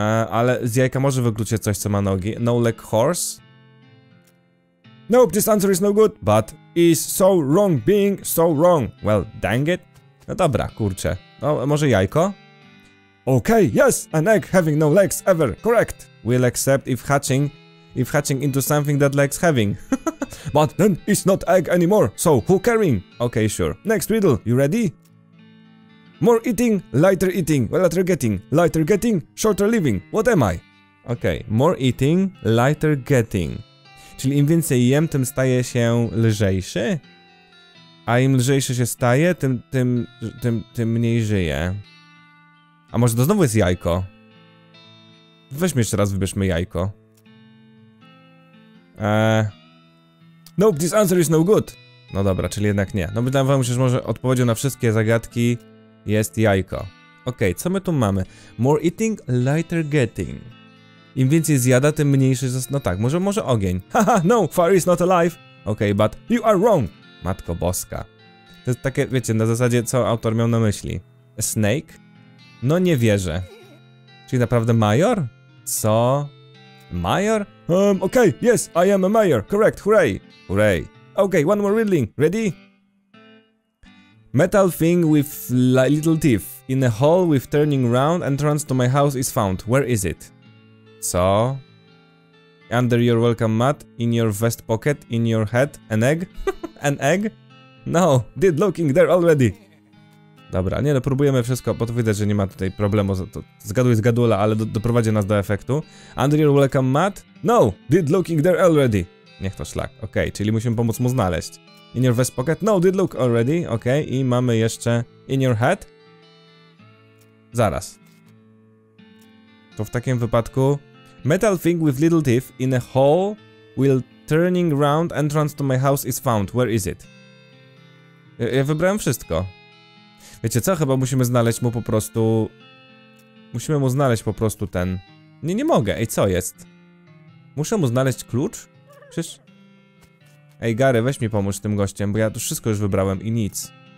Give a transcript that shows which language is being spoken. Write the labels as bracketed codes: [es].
[pl] Ale z jajka może wykluczyć coś, co ma nogi. [en] No leg horse? Nope, this answer is no good. But is so wrong, being so wrong. Well, dang it. [pl] No dobra, kurczę. No, może jajko? [en] Okay, yes, an egg having no legs ever, correct. We'll accept if hatching into something that legs having. But then it's not egg anymore, so who caring? Okay, sure. Next riddle, you ready? More eating, lighter getting, shorter living. What am I? Okay, more eating, lighter getting. [pl] Czyli im więcej jem, tym staje się lżejszy? A im lżejszy się staje, tym mniej żyje. A może to znowu jest jajko? Weźmy jeszcze raz, wybierzmy jajko. [en] Nope, this answer is no good. [pl] No dobra, czyli jednak nie. No wydawało mi się, że może odpowiedzią na wszystkie zagadki jest jajko. Okej, okay, co my tu mamy? [en] More eating, lighter getting. [pl] Im więcej zjada, tym mniejszy zostaje. No tak, może ogień. [en] Haha, no, fire is not alive. Okej, okay, but you are wrong. [pl] Matko boska. To jest takie, wiecie, na zasadzie, co autor miał na myśli. A snake? No nie wierzę. Czyli naprawdę major? Co? Major? [en] Okay, yes, I am a major. Correct, hooray. Hooray. Okay, one more riddling. Ready? Metal thing with little teeth. In a hole with turning round, entrance to my house is found. Where is it? [pl] Co? [en] Under your welcome mat, in your vest pocket, in your head, an egg? An egg? No, did looking there already. [pl] Dobra, nie no, próbujemy wszystko, bo to widać, że nie ma tutaj problemu, to zgaduj z gadula, ale doprowadzi nas do efektu. [en] Under your welcome mat? No, did looking there already. [pl] Niech to szlak, okej, okay, czyli musimy pomóc mu znaleźć. [en] In your vest pocket? No, did look already, [pl] okej, okay, i mamy jeszcze [en] in your head? [pl] Zaraz. To w takim wypadku... [en] Metal thing with little teeth in a hole will turning round entrance to my house is found. Where is it? [pl] Ja wybrałem wszystko. Wiecie co? Chyba musimy znaleźć mu po prostu... Musimy mu znaleźć po prostu ten... Nie mogę. Ej, co jest? Muszę mu znaleźć klucz? Przecież... Ej, Gary, weź mi pomóż tym gościem, bo ja to wszystko już wybrałem i nic.